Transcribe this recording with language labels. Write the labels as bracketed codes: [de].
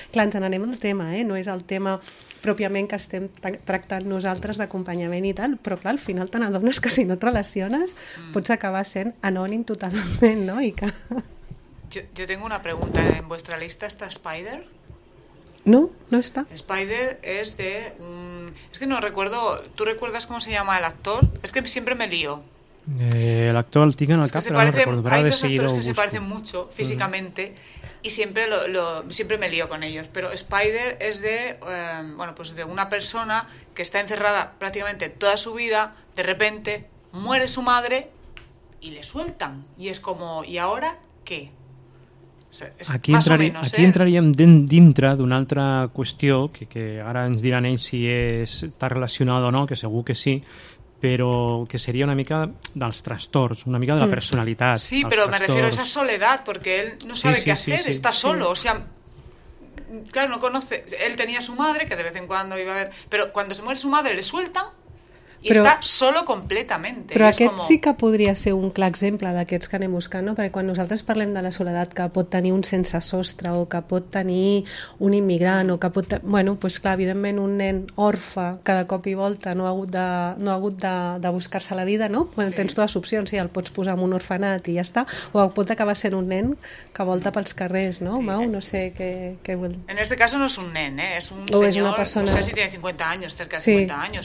[ca] Clar, ens n'anem al tema, no és el tema pròpiament que estem tractant nosaltres d'acompanyament i tal, però clar, al final te n'adones que si no et relaciones pots acabar sent anònim totalment, no? I que... Jo tinc una pregunta, en vostra lista està Spider? [es] No, no está. Spider es de... es que no recuerdo... ¿Tú recuerdas cómo se llama el actor? Es que siempre me lío. El actor al tigre en el cap, pero no recuerdo. Hay dos actores que se parecen mucho físicamente y siempre siempre me lío con ellos. Pero Spider es de bueno, pues de una persona que está encerrada prácticamente toda su vida, de repente muere su madre y le sueltan. Y es como, ¿y ahora qué? [ca] Aquí entraríem dintre d'una altra qüestió que ara ens diran ells si està relacionada o no, que segur que sí, però que seria una mica dels trastorns, una mica de la personalitat. Sí, però [es] me refiero a esa [ca] soledat, perquè ell [es] no sabe [ca] què fer, està solo. [es] O sea, claro, no conoce. Él tenía su madre, que de vez en cuando iba a ver, pero cuando se muere su madre le sueltan y está solo completamente. [ca] Però aquest sí que podria ser un clar exemple d'aquests que anem buscant, no? Perquè quan nosaltres parlem de la soledat que pot tenir un sense sostre o que pot tenir un immigrant o que pot tenir, bueno, pues clar, evidentment un nen orfe que de cop i volta no ha hagut de buscar-se la vida, no? Bueno, sí. Tens dues opcions, sí, el pots posar en un orfenat i ja està, o pot acabar sent un nen que volta pels carrers, no? Sí. Mau, no sé què vol. [es] En este caso no es un nen, es un senyor, [ca] és una persona... [es] no sé si tiene 50 años, cerca de 50 años.